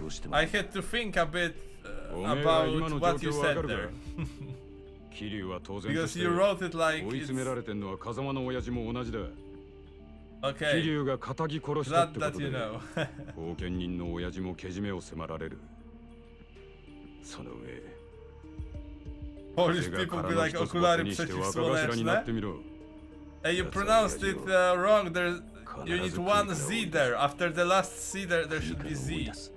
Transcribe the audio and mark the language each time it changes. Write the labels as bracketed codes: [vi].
[en] I had to think a bit about what you said there. Because you wrote it like it's... [ja] 追い詰められてんのは風間の親父も同じだ。 [en] Okay, glad that you know. [ja] 冒険人の親父もけじめを迫られる。その上 [en] Polish people be like, [pl] Okulary przeciw Słoneczne? [en] And you pronounced it wrong, there's, you need one Z there, after the last C there should be Z.